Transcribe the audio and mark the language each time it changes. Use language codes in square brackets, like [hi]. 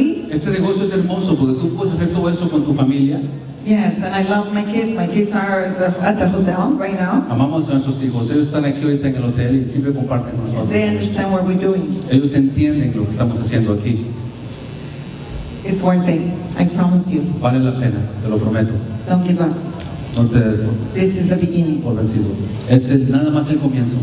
[es] Este negocio es hermoso porque tú puedes hacer todo eso con tu familia. [en] Yes, and I love my kids. My kids are at the hotel right now. [es] Amamos a nuestros hijos. Ellos están aquí ahorita en el hotel y siempre comparten con nosotros. [en] They understand what we're doing. [es] Ellos entienden lo que estamos haciendo aquí. [en] It's worth it. I promise you. [es] Vale la pena. Te lo prometo. [en] Don't give up. [es] No te des por. [en] This is the beginning. [es] Por vencido. Este es nada más el comienzo.